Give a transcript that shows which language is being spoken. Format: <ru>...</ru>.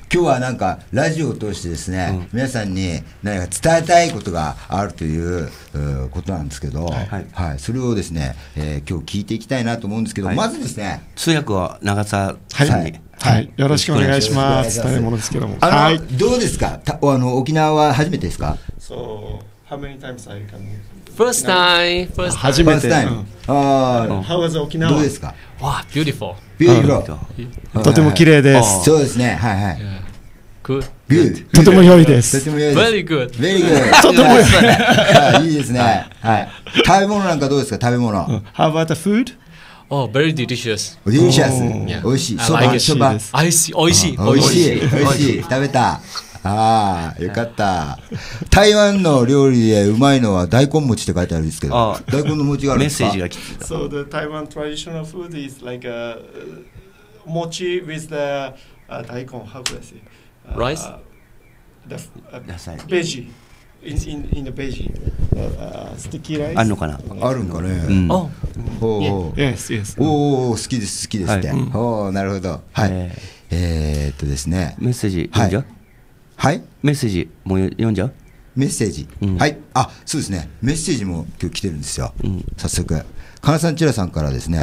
<ja>今日はなんかラジオを通してですね、うん、皆さんに何か伝えたいことがあるという、ことなんですけど、はい。はい、それをですね、今日聞いていきたいなと思うんですけど、はい、まずですね、通訳を長澤さんに。はいはいはい、よろしくお願いします。大変ものですけども、あの、はい、どうですか、沖縄は初めてですか。</ja> <en>So, how many times are you coming? First time, first time.</en> <ja>初めて、</ja> <en>first time、 How was 沖縄、</en> <ja>どうですか。</ja> <en>Wow, beautiful. Beautiful.</en> <ja>とても綺麗です、そうですね、はいはい、</ja> <en>Good. Good.</en> <ja>とても良いです。とても良いです。</ja> <en>Very good. Very good.</en> <ja>とても良いです。いいですね、はい、食べ物なんかどうですか、食べ物。</ja> <en>How about the food? Oh, very delicious. Delicious.</en> <ja>おいしい。そば、そば。おいしい。おいしい。おいしい。おいしい。食べた。ああ、よかった。台湾の料理でうまいのは大根餅って書いてあるんですけど、大根の餅があるんですか。メッセージが来てた。</ja> <en>So the Taiwan traditional food is like a mochi with the 大根。 How do I say? Rice. The veggie. In the veggie, sticky rice.</en> <ja>あるのかな。あるんかね。うん、 oh. おお。</ja> <en>Yes, yes.</en> <ja>おお、好きです好きですって。はい、おお、なるほど。はい。ですね。メッセージ読んじゃう。はい。メッセージも読んじゃう。メッセージ。うん、はい。あ、そうですね。メッセージも今日来てるんですよ。うん、早速。かなさんちらさんからですね。</ja>